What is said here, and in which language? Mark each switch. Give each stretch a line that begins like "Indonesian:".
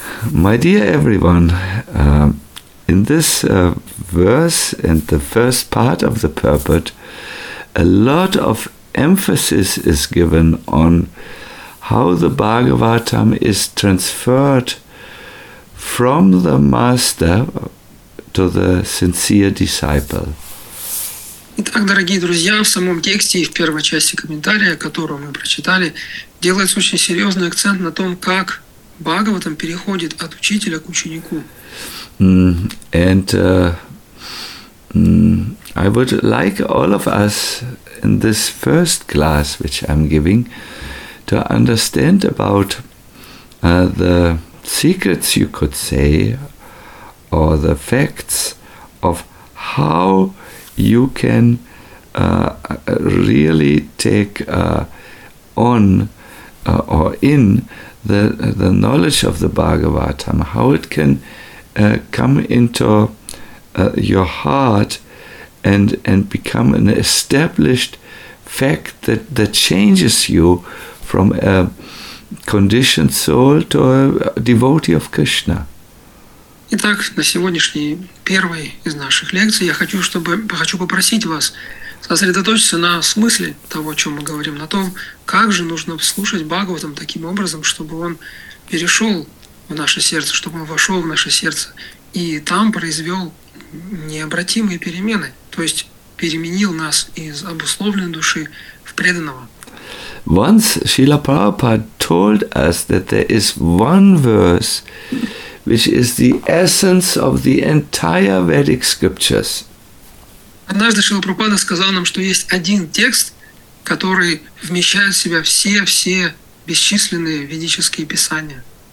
English: My dear everyone, in this verse and the first part of the purport, a lot of emphasis is given on how the Bhagavatam is transferred from the master to the sincere disciple.
Russian: Итак, дорогие друзья, в самом тексте и в первой части комментария, которую мы прочитали, делается очень серьезный акцент на том, как Бхагаватам переходит от учителя к ученику.
English: And I would like all of us in this first class which I'm giving to understand about the secrets, you could say, or the facts of how you can really take on or in the knowledge of the Bhagavatam, how it can come into your heart and become an established fact that changes you from a conditioned soul to a devotee of Krishna.
Russian: Итак, на сегодняшней первой из наших лекций я хочу, чтобы хочу попросить вас сосредоточиться на смысле того, о чем мы говорим, на том, как же нужно слушать Бхагаватам таким образом, чтобы он перешел в наше сердце, чтобы он вошел в наше сердце и там произвел необратимые перемены, то есть переменил нас из обусловленной души в преданного.
English: Once Srila Prabhupada told us that there is one verse which is the essence of the entire Vedic scriptures.
Russian: Однажды Шрила Прабхупада сказал нам, что есть один текст, который вмещает в себя все-все бесчисленные ведические писания.